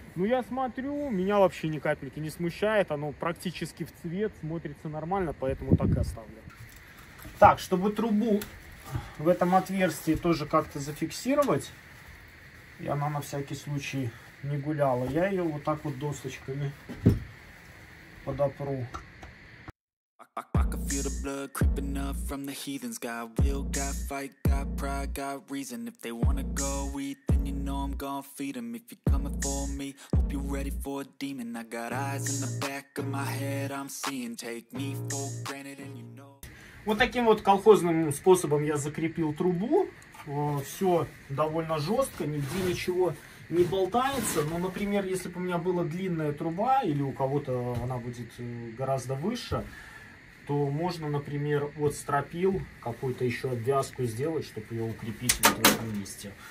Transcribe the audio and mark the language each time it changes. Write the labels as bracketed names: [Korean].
[Russian] Ну, я смотрю, меня вообще ни капельки не смущает, оно практически в цвет, смотрится нормально, поэтому так и оставлю. Так, чтобы трубу в этом отверстии тоже как-то зафиксировать, и она на всякий случай не гуляла, я ее вот так вот досочками подопру. [English] Feel the blood creeping up from the heathens. Got will, got fight, got pride, got reason. If they wanna go eat, then you know I'm gonna feed them. If you're coming for me, hope you're ready for a demon. I got eyes in the back of my head, I'm seeing. Take me for granted, and you know. [Russian] Вот таким вот колхозным способом я закрепил трубу. Все довольно жестко, нигде ничего не болтается. Но, например, если бы у меня была длинная труба, или у кого-то она будет гораздо выше, то можно, например, от стропил какую-то еще обвязку сделать, чтобы ее укрепить вот в этом месте.